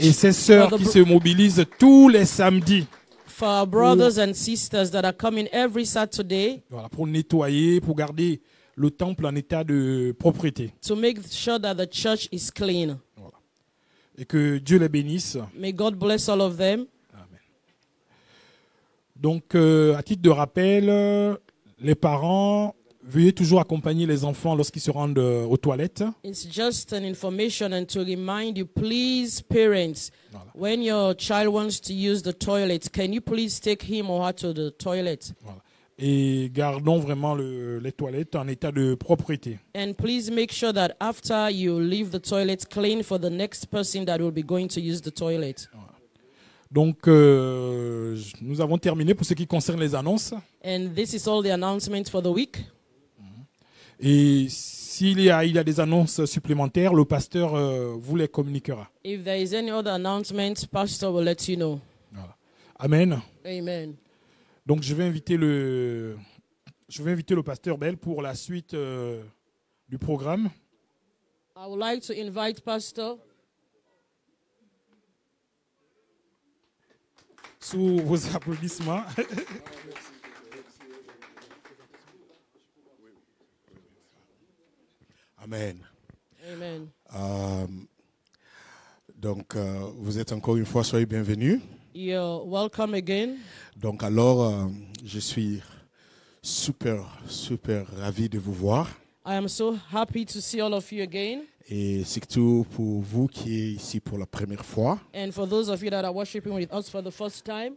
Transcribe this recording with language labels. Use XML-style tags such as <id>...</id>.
<fr>Et ces sœurs qui se mobilisent tous les samedis.</fr> <en>For our brothers and sisters that are coming every Saturday.</en> <fr>Voilà, pour nettoyer, pour garder le temple en état de propreté.</fr> <en>To make sure that the church is clean.</en> <fr>Voilà. Et que Dieu les bénisse.</fr> <en>May God bless all of them. Amen.</en> <fr>Donc, à titre de rappel, les parents, veuillez toujours accompagner les enfants lorsqu'ils se rendent aux toilettes.</fr> <en>It's just an information and to remind you, please, parents,</en> <fr>voilà,</fr> <en>when your child wants to use the toilet, can you please take him or her to the toilet?</en> <fr>Voilà. Et gardons vraiment les toilettes en état de propreté.</fr> <en>And please make sure that after you leave the toilet clean for the next person that will be going to use the toilet.</en> <fr>Voilà. Donc, nous avons terminé pour ce qui concerne les annonces.</fr> <en>And this is all the announcement for the week.</en> <fr>Et s'il y a, des annonces supplémentaires, le pasteur vous les communiquera.</fr> <en>If there is any other announcement, pastor will let you know.</en> <fr>Voilà. Amen. Amen. Donc je vais inviter le pasteur Bell pour la suite du programme.</fr> <en>I would like to invite pastor.</en> <fr>Sous vos applaudissements. Amen. Amen. Donc vous êtes encore une fois soyez bienvenus.</fr> <en>You're welcome again.</en> <fr>Donc alors je suis super ravi de vous voir.</fr> <en>I am so happy to see all of you again.</en> <fr>Et surtout pour vous qui êtes ici pour la première fois.</fr> <en>And for those of you that are worshiping with us for the first time.</en>